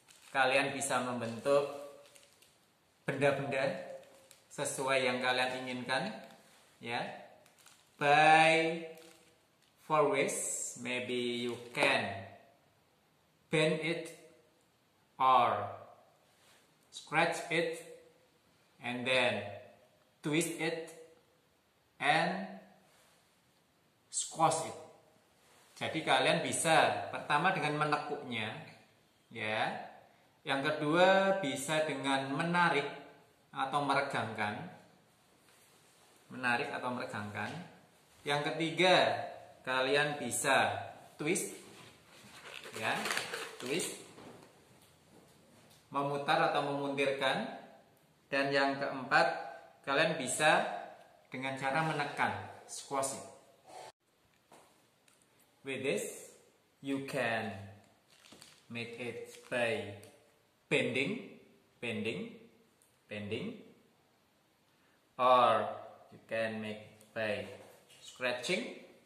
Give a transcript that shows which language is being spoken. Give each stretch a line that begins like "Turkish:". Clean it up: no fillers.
Indonesian: Kalian bisa membentuk benda-benda sesuai yang kalian inginkan, ya.
English: By four ways, maybe you can bend it or scratch it and then twist it and squash it.
Indonesian: Jadi kalian bisa pertama dengan menekuknya, ya. Yang kedua bisa dengan menarik atau meregangkan. Menarik atau meregangkan. Yang ketiga, kalian bisa twist, ya, twist, memutar atau memuntirkan. Dan yang keempat, kalian bisa dengan cara menekan, squashing.
English: With this, you can make it by bending, bending, bending, or you can make by scratching